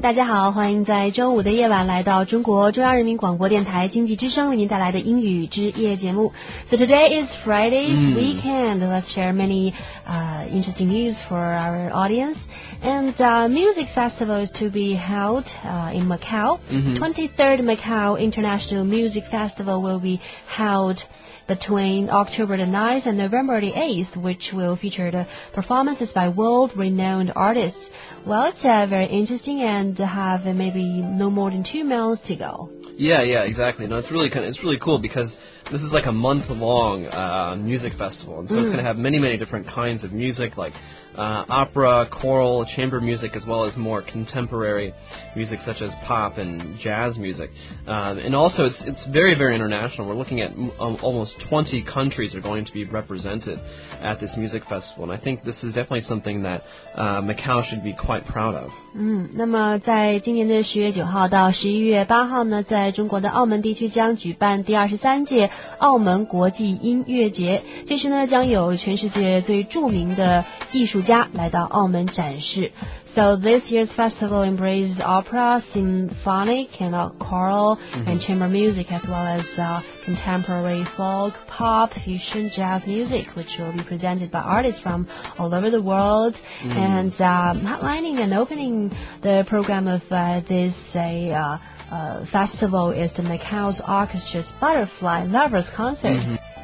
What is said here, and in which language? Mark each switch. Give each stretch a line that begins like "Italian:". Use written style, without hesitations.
Chinese: 大家好，欢迎在周五的夜晚来到中国中央人民广播电台经济之声为您带来的英语之夜节目。
English: So today is Friday's weekend. Let's share many interesting news for our audience. And the music festival is to be held in Macau. 23rd Macau International Music Festival will be held between October the 9th and November the 8th, which will feature the performances by world-renowned artists. Well, it's very interesting and have maybe no more than 2 months to go. Yeah, exactly. No, it's really cool because this is like a month-long music festival. And so it's going to have many, many different kinds of music, like opera, choral, chamber music, as well as more contemporary music such as pop and jazz music. And also, it's very, very international. We're looking at almost 20 countries are going to be represented at this music festival. And I think this is definitely something that Macau should be quite proud of.
Chinese: 那么在今年的10月9号到11月8号呢，在中国的澳门地区将举办第23届澳门国际音乐节。届时呢，将有全世界最著名的艺术家来到澳门展示。
English: So this year's festival embraces opera, symphonic, and choral, and chamber music, as well as contemporary folk, pop, fusion, jazz music, which will be presented by artists from all over the world. And headlining and opening the program of festival is the Macau Orchestra's Butterfly Lovers Concert.